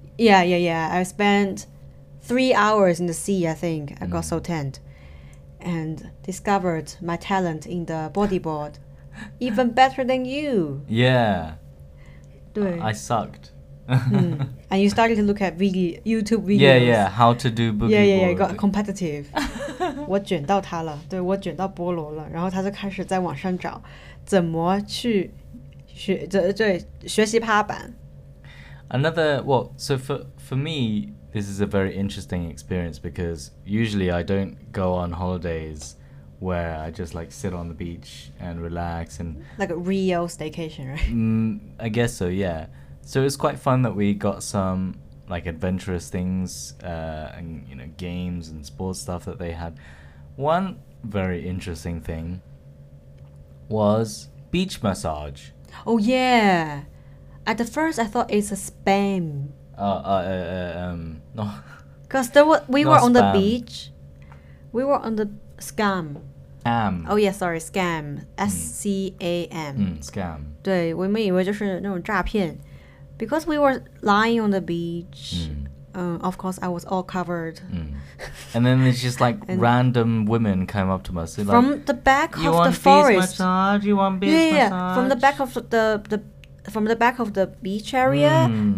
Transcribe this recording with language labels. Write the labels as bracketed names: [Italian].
[English] Yeah. I spent 3 hours in the sea, I think. I got so tanned and discovered my talent in the bodyboard. Even better than you. Yeah. [Chinese] 对 [English] I sucked. And you started to look at YouTube videos. Yeah, how to do boogie board. Yeah, it got competitive. [Chinese] 我卷到他了，对，我卷到菠萝了，然后他就开始在网上找怎么去学习趴板。 [English] Another, so for me, this is a very interesting experience because usually I don't go on holidays where I just like sit on the beach and relax and... Like a real staycation, right? I guess so, yeah. So it was quite fun that we got some like adventurous things and, you know, games and sports stuff that they had. One very interesting thing was beach massage. Oh, yeah. At the first, I thought it's a spam. No. Because we were on the scam. Am. Oh yeah, sorry, scam. S-C-A-M. Scam. [Chinese] 对,我们以为就是那种诈骗。 [English] Because we were lying on the beach, of course I was all covered. And then there's just like random women came up to us. Like, from the back of the forest. You want beach massage? You want beach massage? From the back of the beach area,